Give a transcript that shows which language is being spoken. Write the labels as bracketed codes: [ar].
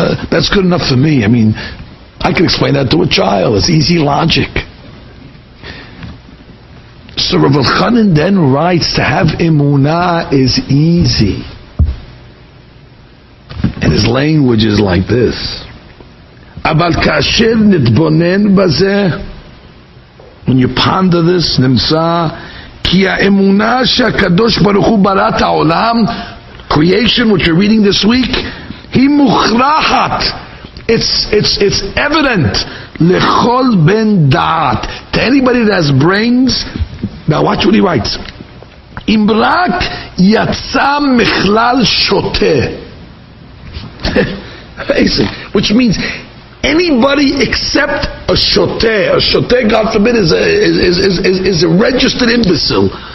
[en] That's good enough for me. I mean, I can explain that to a child. It's easy logic. So Rav Elchanan then writes, to have emunah is easy. And his language is like this. [he] אבל כאשר נתבונן בזה, when you ponder this, נמצא, כי האמונה שהקדוש ברוך הוא ברא את העולם, creation, which we're reading this week, היא מוכרחת. [en] It's evident. לכל בן דעת. To anybody that has brains, now watch what he writes. [he] אם רק יצא מכלל שוטה. Amazing. [en] Which means, anybody except a shoteh, God forbid, is a registered imbecile.